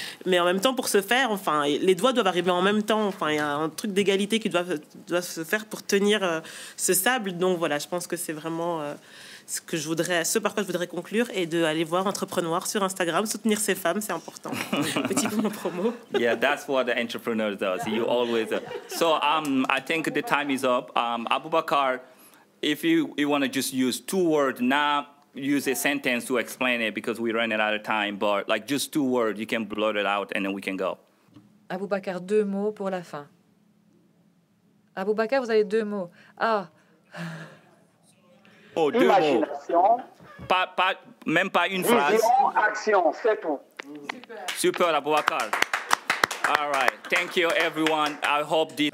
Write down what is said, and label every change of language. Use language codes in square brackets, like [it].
[fr] Mais en même temps, pour ce faire, enfin, les doigts doivent arriver en même temps. Enfin, il y a un truc d'égalité qui doit se faire pour tenir ce sable. Donc voilà, je pense que c'est vraiment ce par quoi je voudrais conclure, et d'aller voir Entrepreneur sur Instagram, soutenir ces femmes, c'est important. Petit moment promo. [en] Yeah, that's what the entrepreneur does. You always. So I think the time is up. Aboubacar, if you want to just use two words, not use a sentence to explain it because we're running out of time, but like just two words, you can blurt it out and then we can go. [fr] Aboubacar, deux mots pour la fin. Aboubacar, vous avez deux mots. Ah. Oh, deux mots. Pas, même pas une vision, phrase. Action, c'est tout. [en] Super, Aboubacar. All right. Thank you, everyone. I hope this.